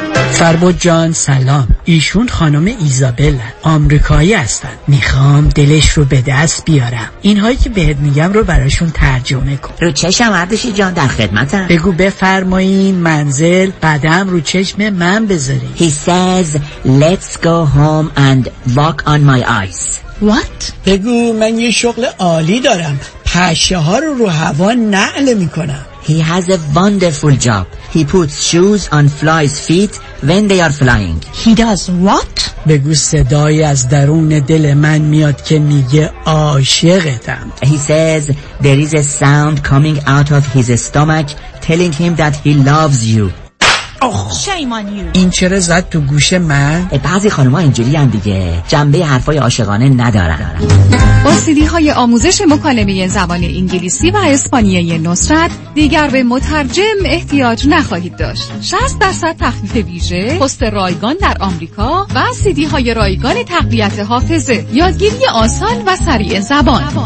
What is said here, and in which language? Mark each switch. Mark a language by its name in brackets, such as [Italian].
[Persian] فربود جان سلام، ایشون خانم ایزابل آمریکایی هستن، میخوام دلش رو به دست بیارم، اینهایی که بهت میگم رو براشون ترجمه کن. رو چشم اردشی جان در خدمتم. بگو بفرمایین منزل قدم رو چشم من بذاری. [English] He says let's go home and walk on my eyes. What? [Persian] بگو من یه شغل عالی دارم، پشه ها رو هوا نعل میکنم. [English] He has a wonderful job. He puts shoes on flies' feet when they are flying. He does what? [Persian] بگو صدای از درون دل من میاد که میگه عاشقتم. [English] He says there is a sound coming out of his stomach telling him that he loves you. Shame on you. [Persian] این چرا زد تو گوش من؟ بعضی خانوما اینجوری هم دیگه، جنبه حرفای عاشقانه ندارن. با سیدی های آموزش مکالمه زبان انگلیسی و اسپانیایی نصرت دیگر به مترجم احتیاج نخواهید داشت. 60% تخفیف ویژه، پست رایگان در آمریکا و سیدی های رایگان تقویت حافظه، یادگیری آسان و سریع زبان.